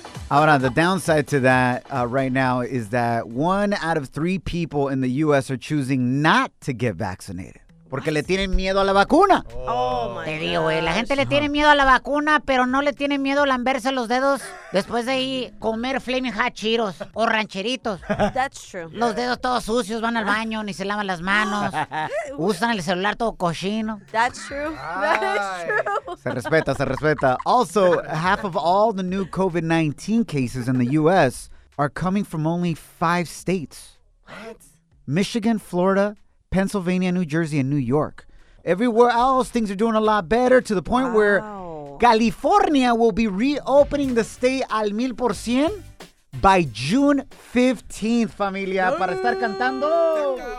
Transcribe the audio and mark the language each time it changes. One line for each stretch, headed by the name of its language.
Spanish: Ahora,
English: the downside to that right now is that one out of three people in the U.S. are choosing not to get vaccinated.
Spanish: Porque le tienen miedo a la vacuna.
English: Oh, oh my God.
Spanish: Te digo, la gente le tiene miedo a la vacuna, pero no le tiene miedo lamberse los dedos después de ahí comer Flaming Hot Cheetos o rancheritos.
English: That's true.
Spanish: Los dedos todos sucios, van al baño, ni se lavan las manos. Usan el celular todo cochino.
English: That's true. That is true.
Spanish: Se respeta, se respeta.
English: Also, half of all the new COVID-19 cases in the U.S. are coming from only five states. What? Michigan, Florida, Pennsylvania, New Jersey, and New York. Everywhere else, things are doing a lot better to the point where California will be reopening the state
Spanish: al 1000%
English: by June 15th,
Spanish: familia, para estar cantando.